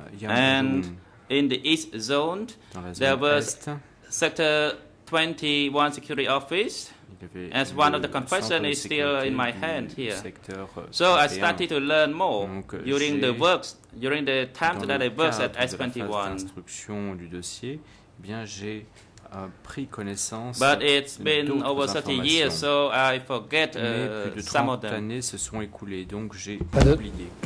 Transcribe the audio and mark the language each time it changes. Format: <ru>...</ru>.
<en>And in the east zone, there was sector 21 security office. As one of the confessions is still in my hand here. So I started to learn more during the works During the time that I was at S21,</en> <fr>instruction du dossier, eh bien j'ai pris connaissance.</fr> <en>But it's been over 30 years, so I forget some of them.</en> <fr>Plus de 30 années se sont écoulées, donc j'ai oublié.</fr>